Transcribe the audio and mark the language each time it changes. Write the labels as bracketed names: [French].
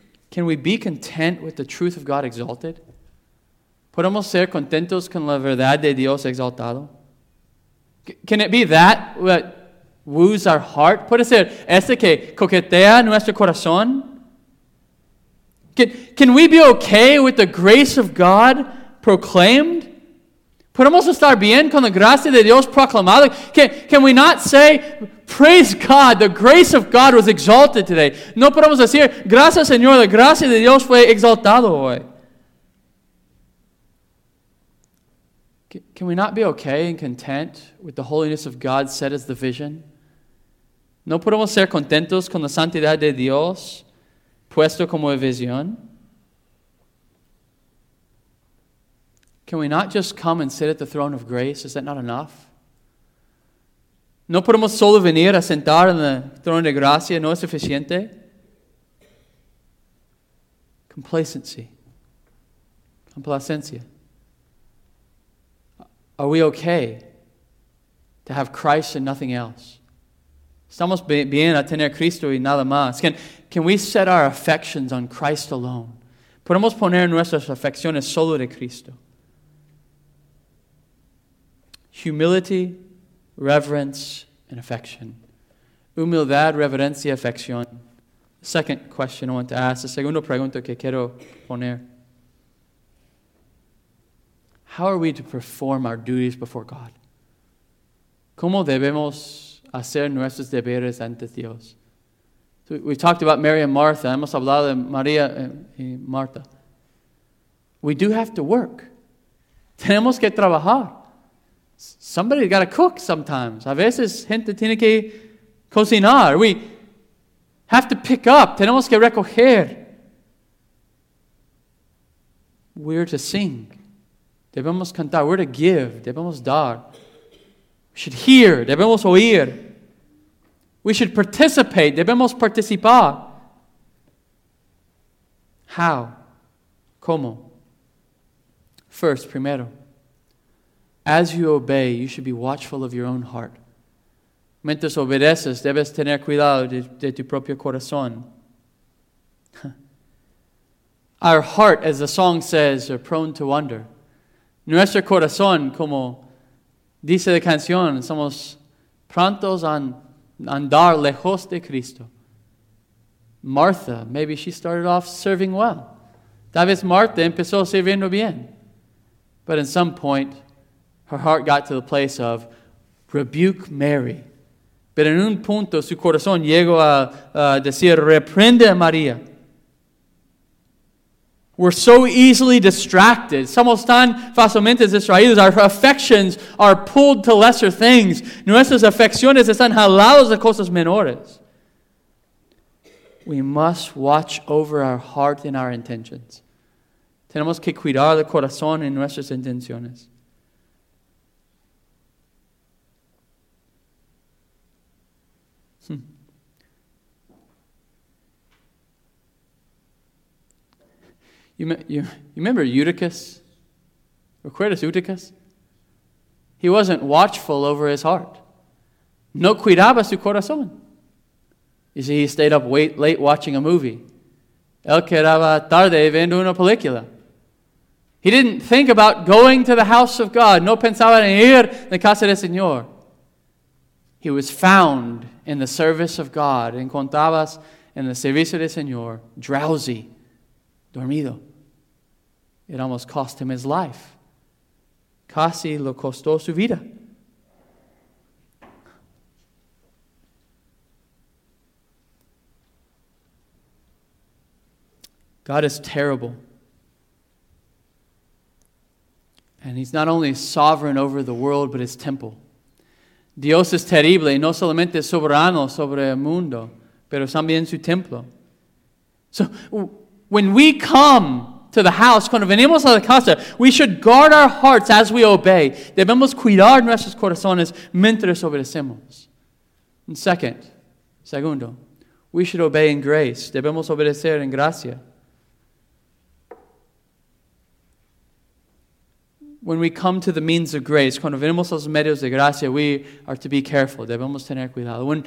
[English] Can we be content with the truth of God exalted? [Spanish] ¿Podemos ser contentos con la verdad de Dios exaltado? [English] Can it be that what woos our heart? [Spanish] ¿Puede ser ese que coquetea nuestro corazón? [English] Can we be okay with the grace of God proclaimed? [Spanish] ¿Podemos estar bien con la gracia de Dios proclamada? [English] Can we not say, praise God, the grace of God was exalted today? [Spanish] No podemos decir, gracias Señor, la gracia de Dios fue exaltado hoy. [English] Can we not be okay and content with the holiness of God set as the vision? [Spanish] ¿No podemos ser contentos con la santidad de Dios puesto como visión? [English] Can we not just come and sit at the throne of grace? Is that not enough? [Spanish] ¿No podemos solo venir a sentar en el trono de gracia? ¿No es suficiente? Complacencia. [English] Are we okay to have Christ and nothing else? [Spanish] ¿Estamos bien a tener Cristo y nada más? [English] Can we set our affections on Christ alone? [Spanish] ¿Podemos poner nuestras afecciones solo de Cristo? [English] Humility, reverence, and affection. [Spanish] Humildad, reverencia, afección. [English] Second question I want to ask, [Spanish] la segunda pregunta que quiero poner. [English] How are we to perform our duties before God? [Spanish] ¿Cómo debemos hacer nuestros deberes ante Dios? [English] So we've talked about Mary and Martha. [Spanish] Hemos hablado de María y Marta. [English] We do have to work. [Spanish] Tenemos que trabajar. [English] Somebody's got to cook sometimes. [Spanish] A veces gente tiene que cocinar. [English] We have to pick up. [Spanish] Tenemos que recoger. [English] We're to sing. [Spanish] Debemos cantar. [English] We're to give. [Spanish] Debemos dar. [English] We should hear. [Spanish] Debemos oír. [English] We should participate. [Spanish] Debemos participar. [English] How? [Spanish] ¿Cómo? [English] First, primero, as you obey, you should be watchful of your own heart. [Spanish] Mientras obedeces, debes tener cuidado de tu propio corazón. [English] Our heart, as the song says, are prone to wander. [Spanish] Nuestro corazón, como dice la canción, somos prontos a andar lejos de Cristo. [English] Martha, maybe she started off serving well. [Spanish] Tal vez Martha empezó sirviendo bien. [English] But at some point, her heart got to the place of rebuke Mary. [Spanish] Pero en un punto, su corazón llegó a decir, reprende a María. [English] We're so easily distracted. [Spanish] Somos tan fácilmente distraídos. [English] Our affections are pulled to lesser things. [Spanish] Nuestras afecciones están jaladas a cosas menores. [English] We must watch over our heart and our intentions. [Spanish] Tenemos que cuidar el corazón en nuestras intenciones. [English] You remember Eutychus? [Spanish] ¿Recuerdas Eutychus? [English] He wasn't watchful over his heart. [Spanish] No cuidaba su corazón. [English] You see, he stayed up late watching a movie. [Spanish] Él quedaba tarde viendo una película. [English] He didn't think about going to the house of God. [Spanish] No pensaba en ir a la casa del Señor. [English] He was found in the service of God. [Spanish] Encontrabas en el servicio del Señor, [English] drowsy, [Spanish] dormido. [English] It almost cost him his life. [Spanish] Casi lo costó su vida. [English] God is terrible. And he's not only sovereign over the world, but his temple. [Spanish] Dios es terrible, no solamente soberano sobre el mundo, pero también su templo. [English] So, when we come to the house, [Spanish] cuando venimos a la casa, [English] we should guard our hearts as we obey. [Spanish] Debemos cuidar nuestros corazones mientras obedecemos. [English] And segundo, we should obey in grace. [Spanish] Debemos obedecer en gracia. [English] When we come to the means of grace, [Spanish] cuando venimos a los medios de gracia, [English] we are to be careful. [Spanish] Debemos tener cuidado.